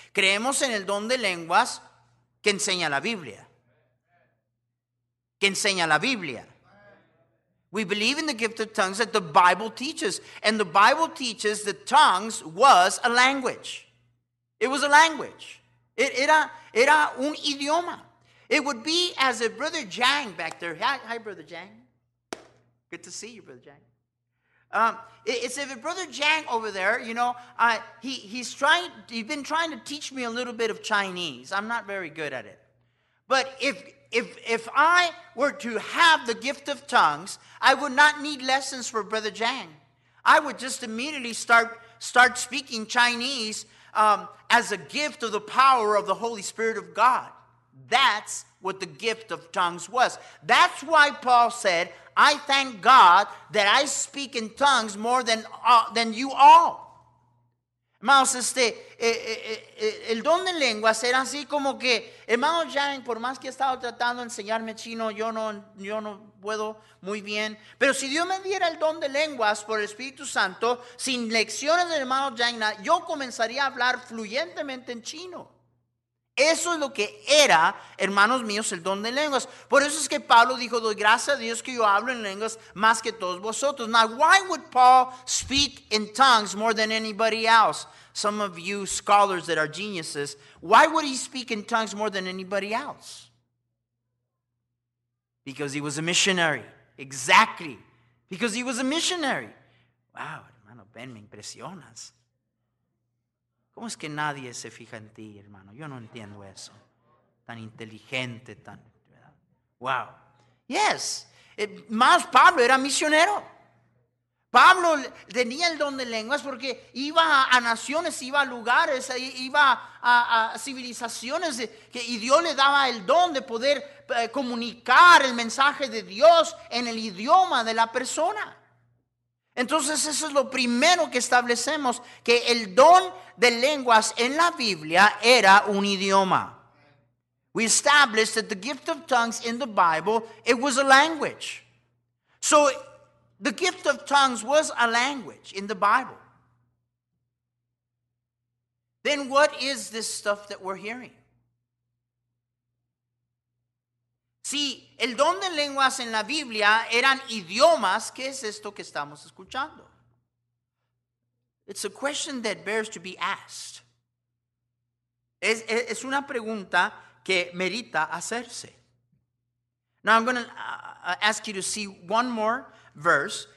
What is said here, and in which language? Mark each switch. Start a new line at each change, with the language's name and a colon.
Spanish: Creemos en el don de lenguas que enseña la Biblia. Que enseña la Biblia.
English: We believe in the gift of tongues that the Bible teaches. And the Bible teaches that tongues was a language. It was a language.
Spanish: Era un idioma.
English: It would be as if Brother Jang back there. Hi, Brother Jang. Good to see you, Brother Jang. It's if Brother Jang over there, you know, he's been trying to teach me a little bit of Chinese. I'm not very good at it. But if I were to have the gift of tongues, I would not need lessons for Brother Jang. I would just immediately start speaking Chinese as a gift of the power of the Holy Spirit of God. That's what the gift of tongues was. That's why Paul said, I thank God that I speak in tongues more than you all.
Spanish: Hermanos, el don de lenguas era así como que, hermano Jang, por más que he estado tratando de enseñarme chino, yo no puedo muy bien. Pero si Dios me diera el don de lenguas por el Espíritu Santo, sin lecciones del hermano Jang, yo comenzaría a hablar fluyentemente en chino. Eso es lo que era, hermanos míos, el don de lenguas. Por eso es que Pablo dijo, doy gracias a Dios que yo hablo en lenguas más que todos vosotros.
English: Now, why would Paul speak in tongues more than anybody else? Some of you scholars that are geniuses, why would he speak in tongues more than anybody else? Because he was a missionary. Exactly. Because he was a missionary.
Spanish: Wow, hermano Ben, me impresionas. ¿Cómo es que nadie se fija en ti, hermano? Yo no entiendo eso. Tan inteligente, tan... Wow. Yes. Más Pablo era misionero. Pablo tenía el don de lenguas porque iba a naciones, iba a lugares, iba a civilizaciones. Y Dios le daba el don de poder comunicar el mensaje de Dios en el idioma de la persona. Entonces eso es lo primero que establecemos, que el don de lenguas en la Biblia era un idioma.
English: We established that the gift of tongues in the Bible, it was a language. So the gift of tongues was a language in the Bible. Then what is this stuff that we're hearing?
Spanish: Si el don de lenguas en la Biblia eran idiomas, ¿qué es esto que estamos escuchando?
English: It's a question that bears to be asked.
Spanish: Es una pregunta que merita hacerse.
English: Now I'm going to ask you to see one more verse.